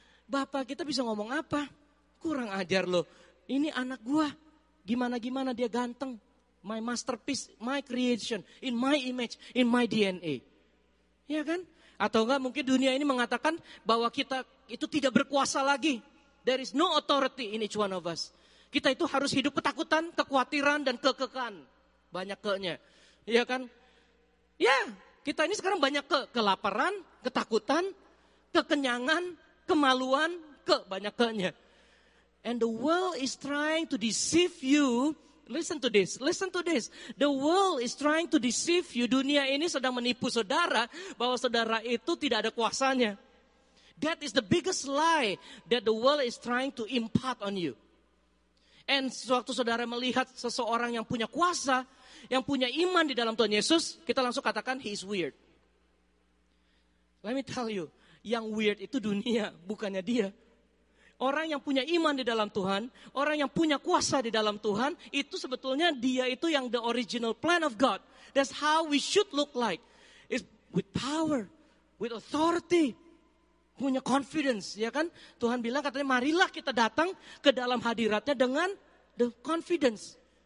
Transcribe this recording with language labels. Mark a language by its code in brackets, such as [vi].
[id] Bapak kita bisa ngomong apa? Kurang ajar loh. Ini anak gua. Gimana-gimana dia ganteng. [en] My masterpiece, my creation, in my image, in my DNA. [id] Ya kan? Atau enggak mungkin dunia ini mengatakan bahwa kita itu tidak berkuasa lagi. [en] There is no authority in each one of us. [id] Kita itu harus hidup ketakutan, kekhawatiran, dan kekekan. Banyak ke-nya. Ya kan? Ya, kita ini sekarang banyak ke. Kelaparan, ketakutan, kekenyangan, kemaluan, ke. Banyak ke-nya. [en] And the world is trying to deceive you. Listen to this. The world is trying to deceive you. [id] Dunia ini sedang menipu saudara bahwa saudara itu tidak ada kuasanya. [en] That is the biggest lie that the world is trying to impart on you. [id] And sewaktu saudara melihat seseorang yang punya kuasa, yang punya iman di dalam Tuhan Yesus, kita langsung katakan [en] he is weird. Let me tell you, [id] yang weird itu dunia, bukannya dia. Orang yang punya iman di dalam Tuhan, orang yang punya kuasa di dalam Tuhan, itu sebetulnya dia itu yang [en] the original plan of God. That's how we should look like. It's with power, with authority, [id] punya confidence, ya kan? Tuhan bilang katanya, marilah kita datang ke dalam hadiratnya dengan [en] the confidence.